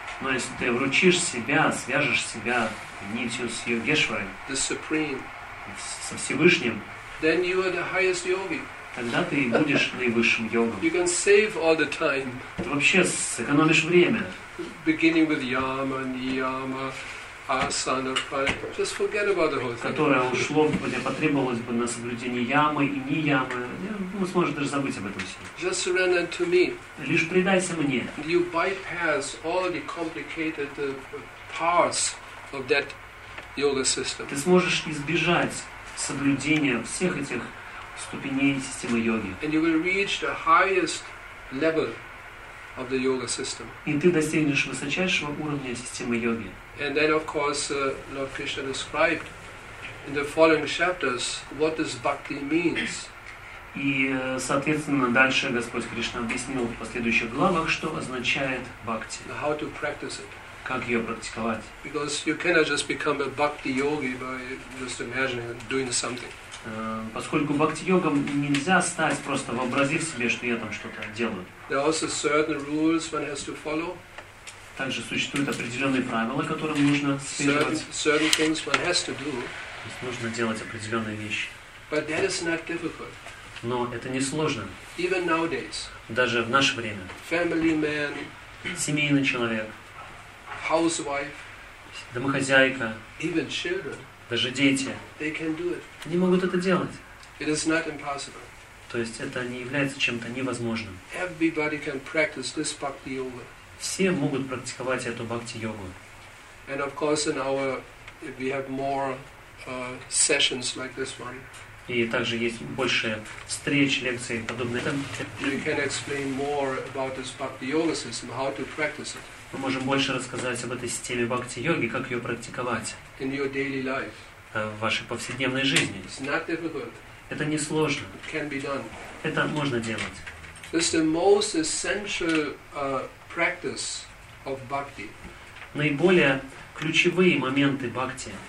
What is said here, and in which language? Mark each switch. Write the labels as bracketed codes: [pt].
[ru] Но если ты вручишь себя, свяжешь себя нитью с Йогешварой, [en] the Supreme, [ru] со Всевышним, [en] then you are the highest yogi. [ru] Тогда ты будешь наивысшим йогом. [en] You can save all the time. [ru] Ты вообще сэкономишь время. [en] Beginning with yama, niyama, asana, just forget about the whole thing. [ru] Которое ушло, хотя потребовалось бы на соблюдение ямы и ниямы, ну, сможешь даже забыть об этом все. [en] Just surrender to me. [ru] Лишь предайся мне. [en] You bypass all the complicated parts of that yoga system. [ru] Ты сможешь избежать соблюдения всех этих ступеней системы йоги. [en] And you will reach the highest level of the yoga system. [ru] И ты достигнешь высочайшего уровня системы йоги. [en] And then, of course, Lord Krishna described in the following chapters what this bhakti means. [ru] И, соответственно, дальше Господь Кришна объяснил в последующих главах, что означает бхакти. [en] How to practice it. [ru] Как ее практиковать? [en] Because you cannot just become a bhakti yogi by just imagining doing something. [ru] Поскольку бхакти йогом нельзя стать просто вообразив себе, что я там что-то делаю. [en] There are also certain rules one has to follow. [ru] Также существуют определенные правила, которым нужно следовать. [en] Certain things one has to do. [ru] То есть нужно делать определенные вещи. [en] But that is not difficult. [ru] Но это не сложно. [en] Even nowadays. [ru] Даже в наше время. [en] Family man. [ru] Семейный человек. [en] Housewife, [ru] домохозяйка, [en] even children, [ru] даже дети, [en] they can do it. [ru] Они могут это делать. [en] It is not impossible. [ru] То есть это не является чем-то невозможным. [en] Everybody can practice this bhakti yoga. [ru] Все могут практиковать эту бхакти йогу. [en] And of course, in our, if we have more sessions like this one. [ru] И также есть больше встреч, лекций подобных. [en] We can explain more about this bhakti yoga system, how to practice it. [ru] Мы можем больше рассказать об этой системе бхакти-йоги, как ее практиковать [en] in your daily life. [ru] В вашей повседневной жизни. [en] It's not difficult. [ru] Это не сложно. [en] It can be done. [ru] Это можно делать. [en] This is the most essential practice of bhakti. [ru] Наиболее ключевые моменты бхакти